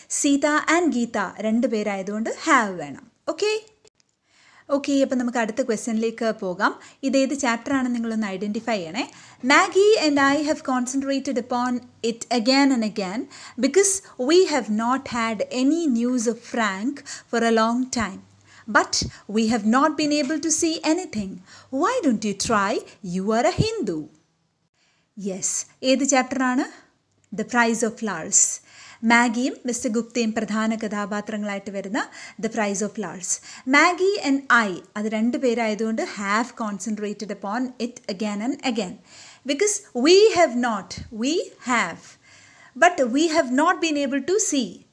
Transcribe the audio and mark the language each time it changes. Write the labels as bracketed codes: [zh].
[ml] Sita and Geetha രണ്ട് പേരായതുകൊണ്ട് have വേണം. Okay okay, അപ്പം നമുക്ക് അടുത്ത ക്വസ്റ്റ്യനിലേക്ക് പോകാം. ഇതേത് ചാപ്റ്ററാണ് നിങ്ങളൊന്ന് ഐഡൻറ്റിഫൈ ചെയ്യണേ. [en] Maggie and I have concentrated upon it again and again because we have not had any news of Frank for a long time. But we have not been able to see anything. Why don't you try? You are a Hindu. Yes, [ml] ഏത് chapter ആണ്? [en] The Prize of Flowers. [ml] മാഗിയും mister ഗുപ്തയും പ്രധാന കഥാപാത്രങ്ങളായിട്ട് വരുന്ന the price of flowers. [en] Maggie and I, [ml] അത് രണ്ട് പേരായതുകൊണ്ട് [en] Have concentrated upon it again and again because we have not, we have but we have not been able to see.